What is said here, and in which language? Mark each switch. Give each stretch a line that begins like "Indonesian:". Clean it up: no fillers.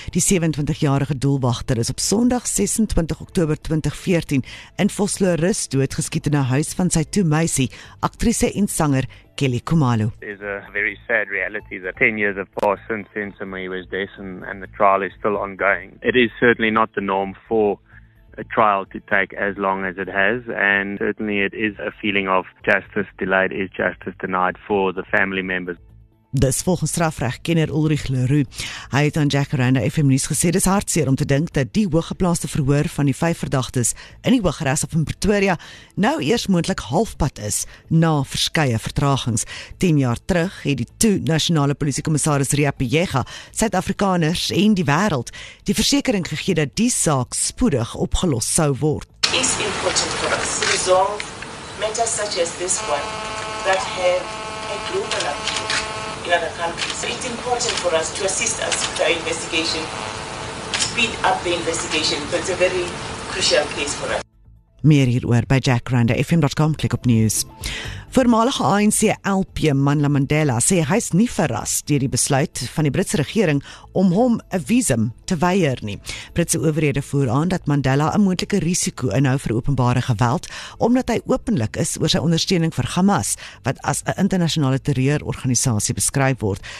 Afrikaans: Die 27-jarige doelwagter is op Sondag 26 Oktober 2014 in Vosloorus doodgeskiet in 'n huis van sy toe meisie, aktrise en sanger Kelly Kumalo.
English: It's a very sad reality that 10 years have passed since Sensemi was dead and the trial is still ongoing. It is certainly not the norm for a trial to take as long as it has, and certainly it is a feeling of justice delayed is justice denied for the family members.
Afrikaans: Dis volgens strafregkenner Ulrich Leroux. Hy het aan Jacaranda FM News gesê, dis hartseer om te dink dat die hooggeplaaste verhoor van die 5 verdagtes in die Hooggeregshof in Pretoria nou eers moontlik halfpad is na verskeie vertragings. 10 jaar terug het die toe nasionale polisiekommissaris Ria Pejega Suid-Afrikaners en die wêreld die versekering gegee dat die saak spoedig opgelos sou word.
English: It is important for us to resolve matters such as this one that have a global appeal. In other countries. So it's important for us to assist us with our investigation, speed up the investigation, but it's a very crucial case for us.
Afrikaans: Meer hieroor by jackrandafm.com, klik op news. Voormalige ANC-LP Manla Mandela sê hy is nie verras deur die besluit van die Britse regering om hom 'n visum te weier nie. Britse owerhede voer aan dat Mandela 'n moontlike risiko inhou vir openbare geweld, omdat hy openlik is oor sy ondersteuning vir Hamas, wat as 'n internasionale terreurorganisasie beskryf word.